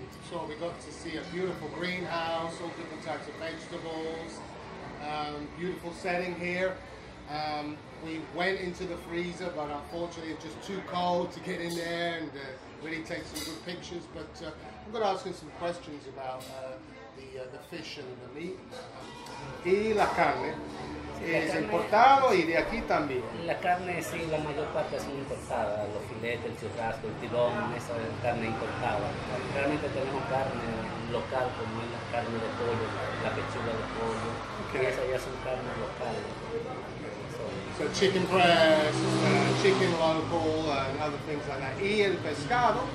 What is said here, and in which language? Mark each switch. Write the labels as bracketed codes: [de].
[en] So we got to see a beautiful greenhouse, all different types of vegetables, beautiful setting here. We went into the freezer, but unfortunately it's just too cold to get in there and really take some good pictures. But I'm going to ask you some questions about the fish and the meat. [es] Y la carne es importado y de aquí también. La carne, sí, la mayor parte es importada. Los filetes, el churrasco, el tibón, esa es carne importada. Realmente tenemos carne local, como es la carne de pollo, la pechuga de pollo. Okay. Esas ya son carnes locales. [en] So chicken breast, chicken local, and other things like that. [es] Y el pescado.